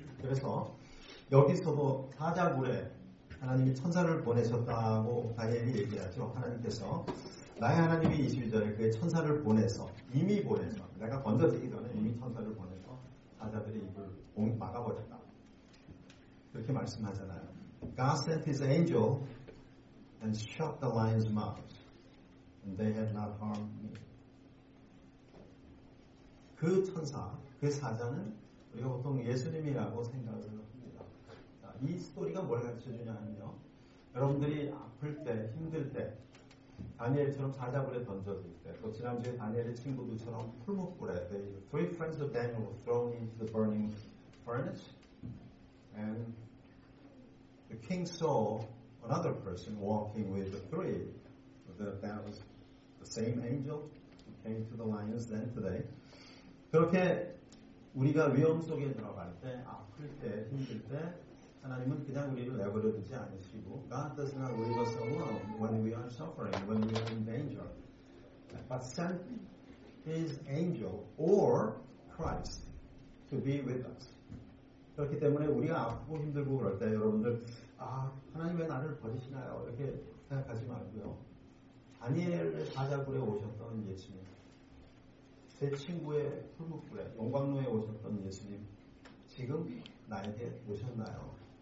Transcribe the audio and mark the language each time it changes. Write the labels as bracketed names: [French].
[Korean] 그래서 여기서도 사자굴에 하나님이 천사를 보내셨다고 다니엘이 얘기하죠. 하나님께서 나의 하나님이 21절에 그의 천사를 보내서 이미 보내서 내가 건져지기 전에 이미 천사를 보내서 사자들의 입을 막아버렸다. 그렇게 말씀하잖아요. [English] God sent his angel and shut the lion's mouth and they had not harmed me. [Korean] 그 천사, 그 사자는 우리가 보통 예수님이라고 생각을 합니다. 자, 이 스토리가 뭘 가르쳐주냐면요. 여러분들이 아플 때, 힘들 때, 다니엘처럼 사자굴에 던져질 때, 또 지난주에 다니엘의 친구들처럼 풀목굴에, [English] The three friends of Daniel were thrown into the burning furnace, and the king saw another person walking with the three, that was the same angel who came to the lions then today. [Korean] 그렇게 우리가 위험 속에 들어갈 때, 아플 때, 힘들 때 하나님은 그냥 우리를 내버려 두지 않으시고 [English] God does not leave us alone when we are suffering, when we are in danger. But sent his angel or Christ to be with us. [Korean] 그렇기 때문에 우리가 아프고 힘들고 그럴 때 여러분들 아, 하나님 왜 나를 버리시나요? 이렇게 생각하지 말고요. 다니엘의 사자굴에 오셨던 예수님 제 친구의 풀무불에 용광로에 오셨던 예수님 지금 나에게 오셨나요?